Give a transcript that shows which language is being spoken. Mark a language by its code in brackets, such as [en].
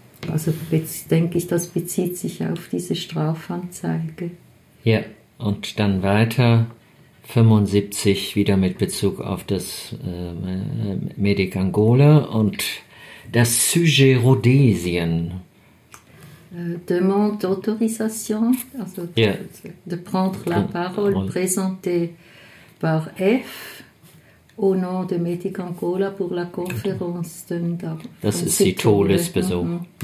[de] Also denke ich, das bezieht sich auf diese Strafanzeige. Ja, und dann weiter. 75 wieder mit Bezug auf das Medic Angola und das Sujet Rhodesien. [fr] Demande d'autorisation, also de prendre la parole présentée par F au nom de Medic Angola pour la conférence de Ndar. [de] Das ist die Todesbesuch.